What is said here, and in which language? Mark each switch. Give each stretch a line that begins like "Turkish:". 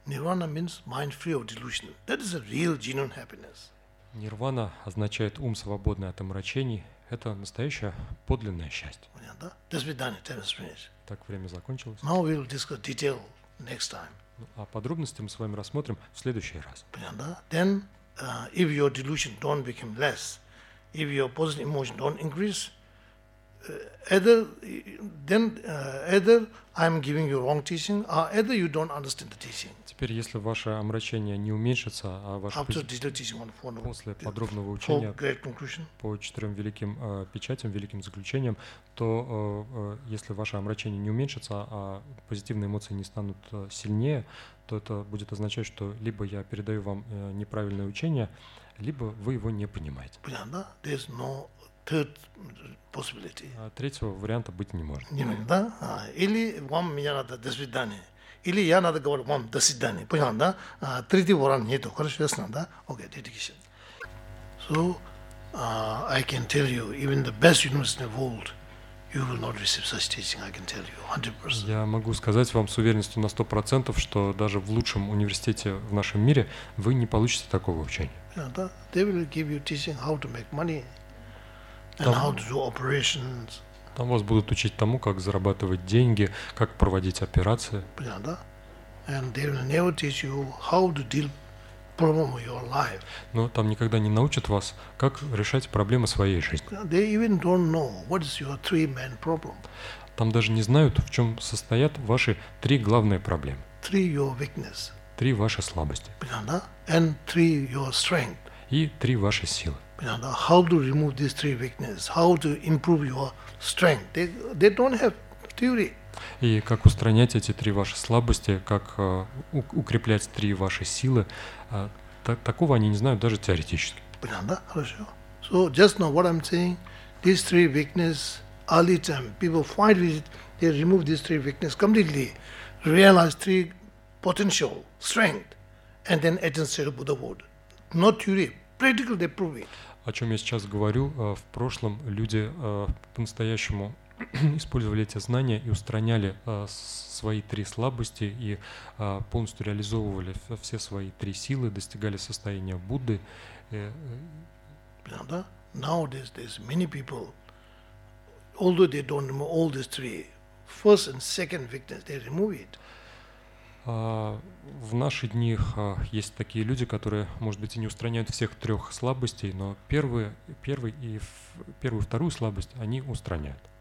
English: Nirvana means mind free of delusion. That is a real genuine happiness.
Russian: Нирвана означает ум свободный от омрачений. Это настоящее подлинное счастье. Понятно, да?
English: That's been done. Time is finished.
Russian: Так время закончилось.
English: Now we'll discuss detail next time.
Russian: А подробности мы с вами рассмотрим в следующий раз. Понятно, да?
English: Then, if your delusion don't become less, if your positive emotion don't increase, either I'm giving you wrong teaching, or either you don't understand the teaching.
Russian: Теперь, если ваше омрачение не уменьшится, а ваше после подробного учения по четырем великим печатям, великим заключениям, то если ваше омрачение не уменьшится, а позитивные эмоции не станут сильнее, то это будет означать, что либо я передаю вам неправильное учение, либо вы его не понимаете. Понятно, да?
English: There's no third possibility.
Russian: А третьего варианта быть не может. Не может, да? А, или вам меня надо до свидания. Или я надо говорить вам до свидания. Понятно, да? А, третий вариант нету. Хорошо, ясно, да? Окей, dedication.
English: So, I can tell you, even the best university in the world, you will not receive such teaching, I can tell you, 100%.
Russian: Я могу сказать вам с уверенностью на 100%, что даже в лучшем университете в нашем мире вы не получите такого учения. Понятно, да?
English: They will give you teaching how to make money. And how to do operations.
Russian: Там вас будут учить тому, как зарабатывать деньги, как проводить операции. Понятно, да?
English: And they will never teach you how to deal problem with your life.
Russian: Но там никогда не научат вас, как решать проблемы своей жизни.
English: They even don't know what is your three main problem.
Russian: Там даже не знают, в чем состоят ваши три главные проблемы.
English: Three your weakness.
Russian: Три ваши слабости. Понятно, да?
English: And three your strength.
Russian: И три ваши силы. Понятно?
English: How to remove these three weaknesses? How to improve your strength? They don't have theory.
Russian: И как устранять эти три ваши слабости, как укреплять три ваши силы? Такого они не знают даже теоретически. Понятно? Хорошо.
English: So just now what I'm saying, these three weaknesses, early time, people fight with it, they remove these three weaknesses completely, realize three potential strength, and then attain state of Buddhahood. Not theory. Practical, they prove it.
Russian: О чем я сейчас говорю, в прошлом люди по-настоящему использовали эти знания и устраняли свои три слабости и полностью реализовывали все свои три силы, достигали состояния Будды. Понятно, да?
English: Nowadays there's many people, although they don't remove all these three, first and second weakness, they remove it.
Russian: В наши дни есть такие люди, которые, может быть, и не устраняют всех трех слабостей, но первую и вторую слабость они устраняют.